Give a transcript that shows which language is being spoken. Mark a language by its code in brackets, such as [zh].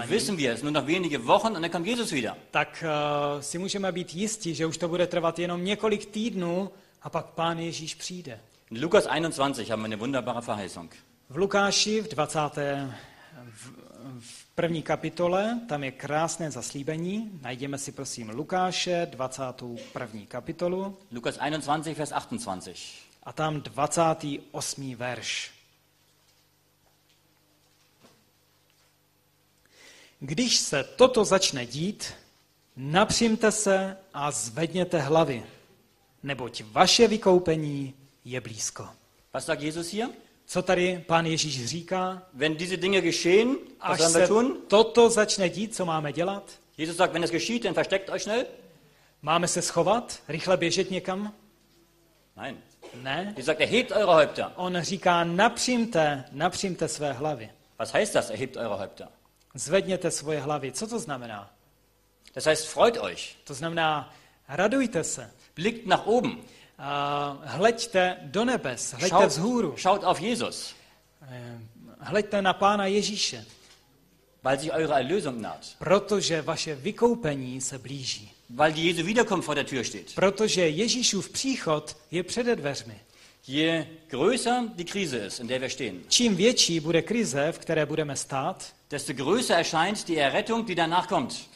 [de] denn wissen wir, es nur noch wenige Wochen und dann kommt Jesus wieder. [cs] Tak si můžeme být jisti, že už to bude trvat jenom několik týdnů a pak Pán Ježíš přijde. [de] In Lukas 21 haben wir eine wunderbare Verheißung. [cs] V Lukáši v 20. v první kapitole, tam je krásné zaslíbení. Najdeme si prosím Lukáše 21. kapitolu. [de] Lukas 21 vers 28. [cs] A tam 28. verš. Když se toto začne dít, napřímte se a zvedněte hlavy, neboť vaše vykoupení je blízko. [de] Was sagt Jesus hier? [cs] Co tady Pán Ježíš říká? [de] Wenn diese Dinge geschehen, [cs] až se [de] tun? [cs] Toto začne dít, co máme dělat? [de] Jesus sagt, wenn es geschieht, dann versteckt euch schnell. [cs] Máme se schovat? Rychle běžet někam? [de] Nein. [cs] Ne? [de] Jesus sagt, erhebt eure Häupter. [cs] On říká, napřímte své hlavy. [de] Was heißt das, erhebt eure Häupter? [cs] Zvedněte svoje hlavy. Co to znamená? [de] Das heißt, freut euch. [cs] To znamená, radujte se. [de] Blickt nach oben. [cs] Hleďte do nebes, hleďte vzhůru. [de] Schaut auf Jesus. [cs] Hleďte na Pána Ježíše. [de] Weil sich eure Erlösung naht. [cs] Protože vaše vykoupení se blíží. [de] Weil die Jesu Wiederkunft vor der Tür steht. [cs] Protože Ježíšův příchod je před dveřmi. [de] Je größer die Krise ist, in der wir stehen. [cs] Čím větší bude krize, v které budeme stát, [de] desto größer erscheint die Errettung, die danach kommt.